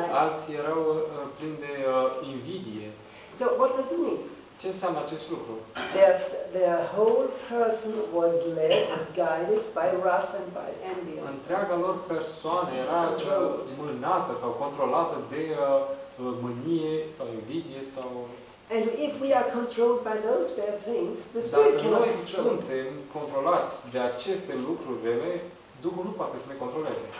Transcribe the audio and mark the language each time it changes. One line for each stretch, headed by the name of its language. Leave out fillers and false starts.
Romanian: Alții erau plini de invidie.
English: So what does it mean?
Romanian: Ce înseamnă acest lucru?
English: Their whole person was led, was guided by wrath and by envy.
Romanian: Întreaga lor persoană era mânată sau controlată de mânie sau invidie sau.
English: And if we are controlled by those bad things, the Spirit cannot control us.
Romanian: Dacă noi suntem controlați de aceste lucruri rele, Duhul nu poate să ne controleze.